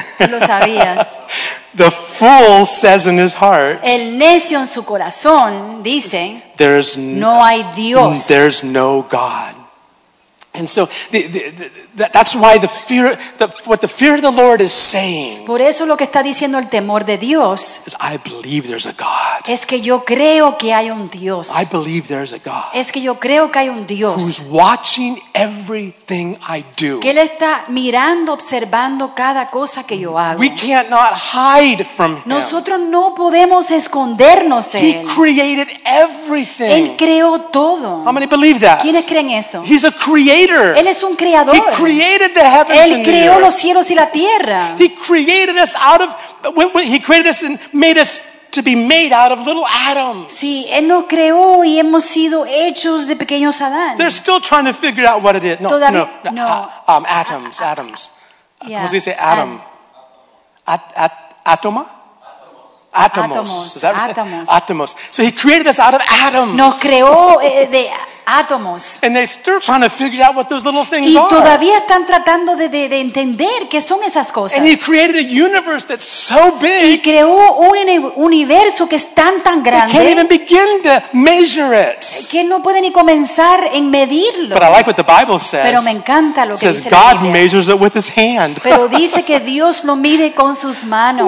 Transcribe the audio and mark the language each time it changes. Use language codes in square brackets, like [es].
[es] Lo sabías. [en] The fool says in his heart, [es] el necio en su corazón dice, [en] there's [es] no hay Dios. [en] There's no God. [es] And so that's why what the fear of the Lord is saying. [en] Por eso lo que está diciendo el temor de Dios. Is I believe there's a God. [es] Es que yo creo que hay un Dios. [en] I believe there's a God. [es] Es que yo creo que hay un Dios. [en] Who's watching everything I do. [es] Que él está mirando, observando cada cosa que yo hago. [en] We cannot hide from him. [es] Nosotros no podemos escondernos de él. [en] He created everything. [es] Él creó todo. [en] How many believe that? [es] ¿Quiénes creen esto? [en] He's a creator. [es] Él es un creador. [en] He created the heavens and the earth. [es] Él creó los cielos y la tierra. [en] He created us out of, he created us and made us to be made out of little atoms. [es] Sí, él nos creó y hemos sido hechos de pequeños Adán. [en] They're still trying to figure out what it is. [es] No, todavía, no. [en] Atoms. Yeah. [es] ¿Cómo se dice atom? Atoma? Atomos. [en] Is that right? [es] Atomos. [en] So he created us out of atoms. [es] Nos creó de átomos. [en] And they're still trying to figure out what those little things [es] y [en] are. [es] Y todavía están tratando de entender qué son esas cosas. [en] And he created a universe that's so big. [es] Y creó un universo que es tan grande. [en] They can't even begin to measure it. [es] Que no puede ni comenzar en medirlo. [en] But I like what the Bible says. [es] Pero me encanta lo que [en] says [es] dice [en] God [es] la Biblia. [en] Measures it with his hand. [es] Pero dice que Dios lo mide con sus manos.